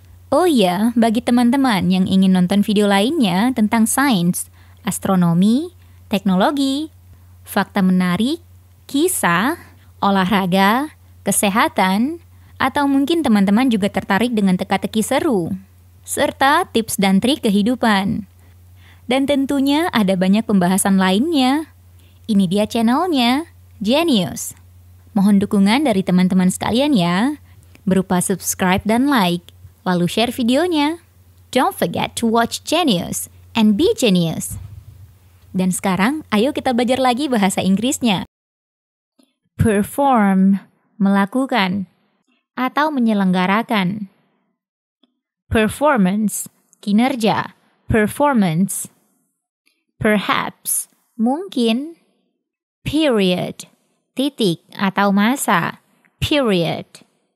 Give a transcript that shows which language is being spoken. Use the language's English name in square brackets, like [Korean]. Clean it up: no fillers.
[Indonesian] Oh ya, bagi teman-teman yang ingin nonton video lainnya tentang sains, astronomi, teknologi, fakta menarik, kisah, olahraga, kesehatan, atau mungkin teman-teman juga tertarik dengan teka-teki seru, serta tips dan trik kehidupan. Dan tentunya ada banyak pembahasan lainnya. Ini dia channelnya, Genius. Mohon dukungan dari teman-teman sekalian ya, berupa subscribe dan like, lalu share videonya. [English] Don't forget to watch Genius and be genius. [Indonesian] Dan sekarang, ayo kita belajar lagi bahasa Inggrisnya. Perform, melakukan, atau menyelenggarakan. Performance, kinerja, performance. Perhaps, mungkin. Period, titik atau masa, period.